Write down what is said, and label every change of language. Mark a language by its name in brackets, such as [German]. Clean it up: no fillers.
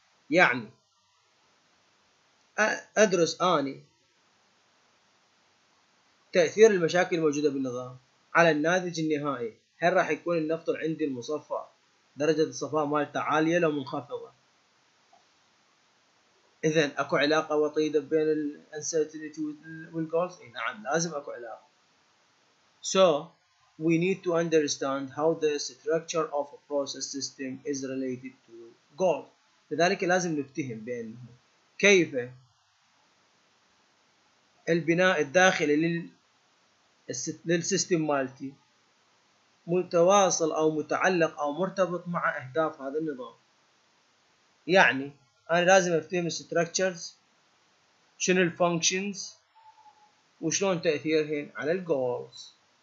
[Arabic] يعني أدرس أني تأثير المشاكل الموجودة بالنظام على الناتج النهائي، هل راح يكون النفط عندي المصفى درجة الصفاء مالته عالية لو منخفضة؟ إذن أكو علاقة وطيدة بين الـ uncertainty والـ goals؟ إيه نعم، لازم أكو علاقة. [English] So we need to understand how the structure of a process system is related to goals. [Arabic] لذلك لازم نفتهم بين كيف البناء الداخلي للسيستم مالتي متواصل او متعلق او مرتبط مع اهداف هذا النظام. يعني انا لازم افهم الستركتشرز، شنو الفانكشنز، وشلون تاثيرهن على الجولز.